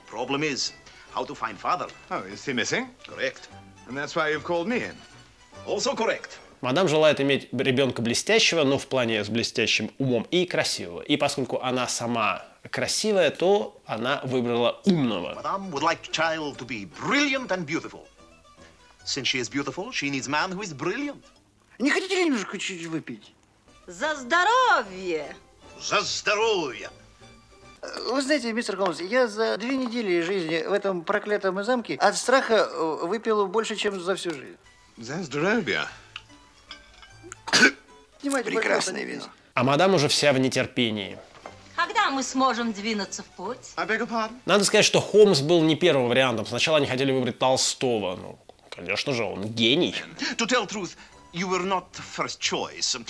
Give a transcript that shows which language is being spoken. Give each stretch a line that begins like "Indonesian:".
English: Problem is, how to find father? Oh, is he missing? Correct. And that's why you've called me in. Also correct.
Russian: Мадам желает иметь ребенка блестящего, но в плане с блестящим умом, и красивого. И поскольку она сама красивая, то она выбрала умного.
English: Мадам would like child to be brilliant and beautiful. Since she is beautiful, she needs man who is brilliant.
Russian: Не хотите ли немножко чуть-чуть выпить? За здоровье! За здоровье! Вы знаете, мистер Холмс, я за 2 недели жизни в этом проклятом замке от страха выпил больше, чем за всю жизнь. За здоровье! Прекрасное вино. А мадам уже вся в нетерпении. Когда мы сможем двинуться в путь?
English: I beg your pardon?
Russian: Надо сказать, что Холмс был не первым вариантом. Сначала они хотели выбрать Толстого. Ну, конечно же, он гений.
English: To tell truth, you were not first choice.